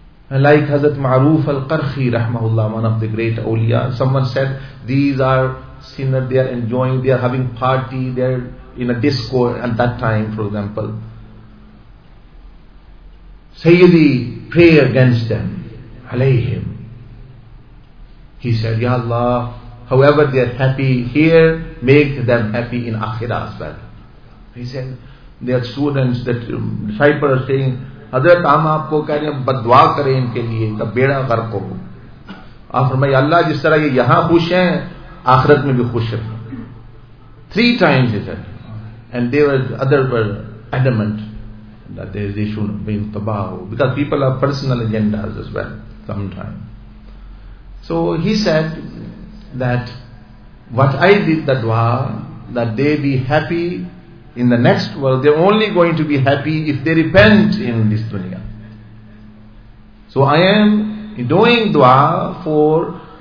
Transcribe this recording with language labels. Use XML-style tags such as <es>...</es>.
<en>And like Hazrat Ma'ruf al-Qarqi, rahmahullah, one of the great awliya, someone said, these are sinners, they are enjoying, they are having party, they are in a disco at that time, for example. Sayyidi, pray against them, alayhim. He said, Ya Allah, however they are happy here, make them happy in akhirah as well. He said, their students, that disciples are saying,</en> <ur>حضرت ہم آپ کو کہہ رہے ہیں بدعا کریں ان کے لیے تب بیڑا غرق ہو. آپ فرمائے اللہ جس طرح یہ یہاں خوش ہیں آخرت میں بھی خوش رہیں.</ur> <en>Three times he said, and they were, other were adamant that they should be in tabah, because people have personal agendas as well sometimes. So he said that what I did the dua that they be happy in the next world, they're only going to be happy if they repent in this dunya. So I am doing dua for</en>